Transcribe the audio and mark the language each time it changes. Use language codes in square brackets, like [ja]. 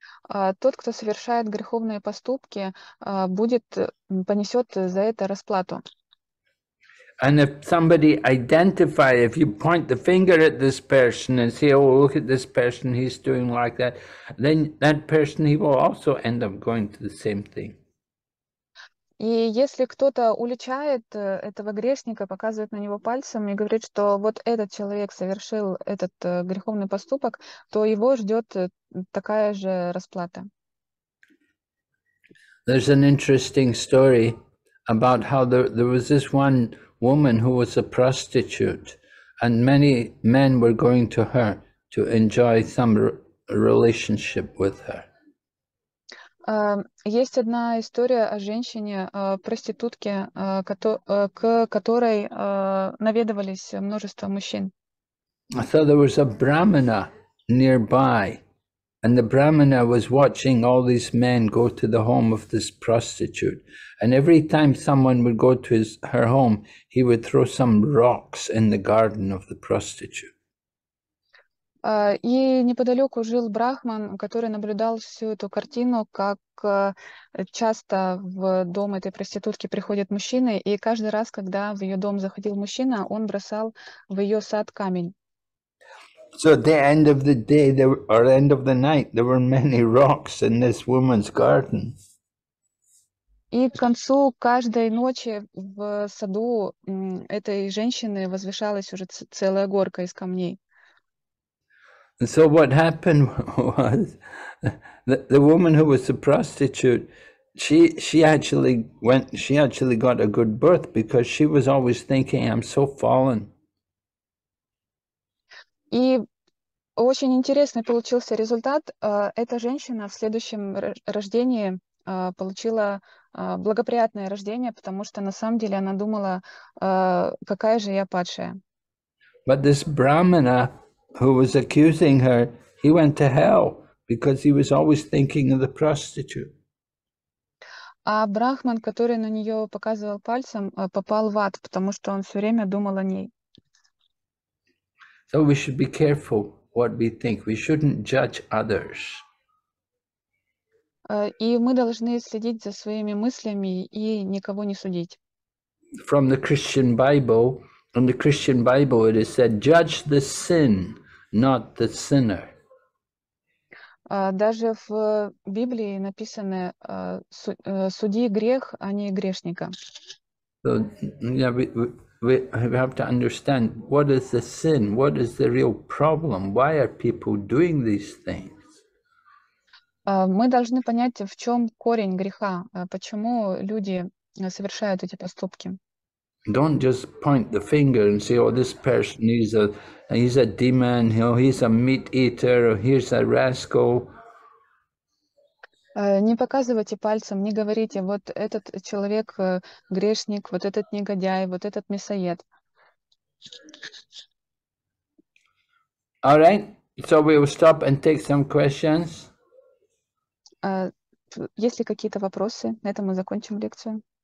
[ru] Тот, кто совершает греховные поступки, будет понесет за это расплату. [en] And if somebody identify, if you point the finger at this person and say, oh, look at this person, he's doing like that, then that person, he will also end up going to the same thing. [ru] И если кто-то уличает этого грешника, показывает на него пальцем и говорит, что вот этот человек совершил этот греховный поступок, то его ждет такая же расплата. [en] There's an interesting story about how there was this one woman who was a prostitute, and many men were going to her to enjoy some relationship with her. [ru] Есть одна история о женщине, проститутке, к которой наведывались множество мужчин. [en] So there was a brahmana nearby, and the brahmana was watching all these men go to the home of this prostitute. And every time someone would go to her home, he would throw some rocks in the garden of the prostitute. [ru] И неподалеку жил брахман, который наблюдал всю эту картину, как часто в дом этой проститутки приходят мужчины, и каждый раз, когда в ее дом заходил мужчина, он бросал в ее сад камень. [en] So at the end of the day, or end of the night, there were many rocks in this woman's garden. [ru] И к концу каждой ночи в саду этой женщины возвышалась уже целая горка из камней. [en] And so what happened was the woman who was a prostitute, she actually got a good birth, because she was always thinking, I'm so fallen. [ru] И очень интересный получился результат. Эта женщина в следующем рождении получила благоприятное рождение, потому что на самом деле она думала, какая же я падшая. [en] But this brahmana who was accusing her, he went to hell, because he was always thinking of the prostitute. [ru] А брахман, который на нее показывал пальцем, попал в ад, потому что он все время думал о ней. [en] So we should be careful what we think. We shouldn't judge others. [ru] И мы должны следить за своими мыслями и никого не судить. [en] From the Christian Bible, in the Christian Bible it is said, judge the sin, not the sinner. [ru] Даже в Библии написано, суди грех, а не грешника. [en] So, yeah, we have to understand what is the sin, what is the real problem, why are people doing these things? [ru] Мы должны понять, в чем корень греха, почему люди совершают эти поступки. [en] Don't just point the finger and say, oh, this person, he's a demon, he's a meat eater, or he's a rascal. [ru] Не показывайте пальцем, не говорите, вот этот человек грешник, вот этот негодяй, вот этот мясоед. [en] All right, so we will stop and take some questions. [ru] Есть ли какие-то вопросы? На этом мы закончим лекцию.